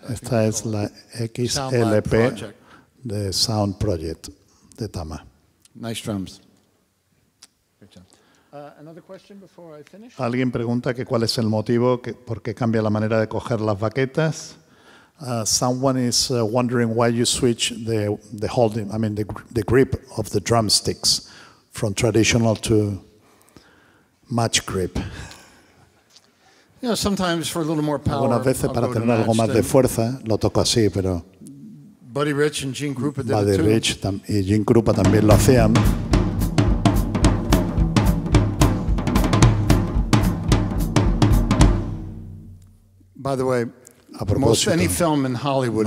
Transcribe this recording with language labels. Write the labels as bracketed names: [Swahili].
[Spanish] Esta es la XLP de Sound Project de Tama. [English] Nice drums. Good job. Another question before I finish. [Spanish] Alguien pregunta que cuál es el motivo que por qué cambia la manera de coger las baquetas. [English] Someone is wondering why you switch the grip of the drumsticks from traditional to match grip. You know, sometimes for a little more power. [Spanish] Algunas veces para tener algo más de fuerza lo toco así, pero [English] Buddy Rich and Gene Krupa did it [Spanish] too. Buddy Rich y Gene Krupa también lo hacían. [English] By the way, [Spanish] a propósito, [English] any film in Hollywood,